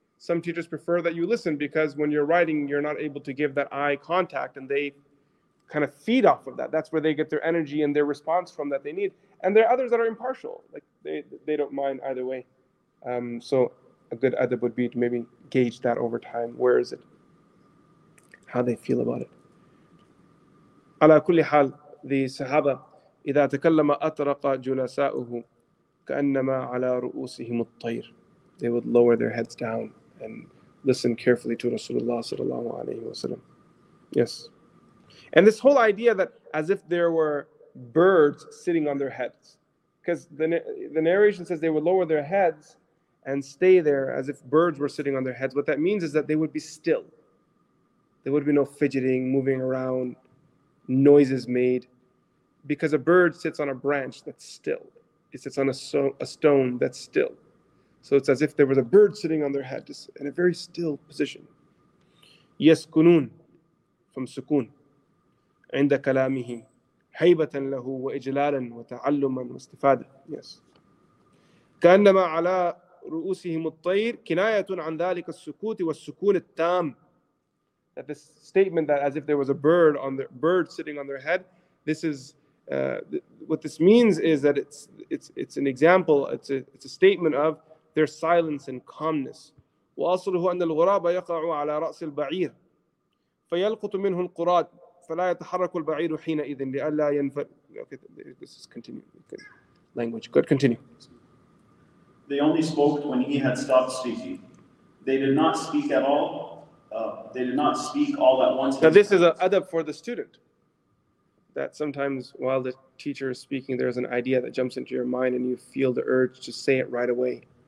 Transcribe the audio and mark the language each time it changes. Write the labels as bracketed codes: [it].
[en] Some teachers prefer that you listen because when you're writing, you're not able to give that eye contact and they kind of feed off of that. That's where they get their energy and their response from that they need. And there are others that are impartial. Like they don't mind either way. So a good adab would be to maybe gauge that over time. Where is it? How they feel about it. [ar] على كل حال, the Sahaba, إذا تكلم أطرق جلساؤه كأنما على رؤوسهم الطير. [en] They would lower their heads down and listen carefully to Rasulullah sallallahu alayhi wa sallam. Yes. And this whole idea that as if there were birds sitting on their heads. Because the narration says they would lower their heads and stay there as if birds were sitting on their heads. What that means is that they would be still. There would be no fidgeting, moving around, noises made. Because a bird sits on a branch that's still. It sits on a stone that's still. So it's as if there was a bird sitting on their head, just in a very still position. [ar] يسكنون from سكون عند كلامه حيبة له وإجلالا وتعلما واستفادة. [en] Yes. [ar] كأنما على رؤوسهم الطير كناية عن ذلك السكوت والسكون التام. [en] That this statement that as if there was a bird sitting on their head, this is what this means is that it's an example, it's a statement of their silence and calmness. [ar] وأصله أن الغراب يقع على رأس البعير فيلقط منه القراد فلا يتحرك البعير حينئذ لئلا ينفر. [en] Okay, this is continuing language. Good, continue. They only spoke when he had stopped speaking. They did not speak at all. They did not speak all at once. Now this is an adab for the student. That sometimes while the teacher is speaking, there's an idea that jumps into your mind and you feel the urge to say it right away.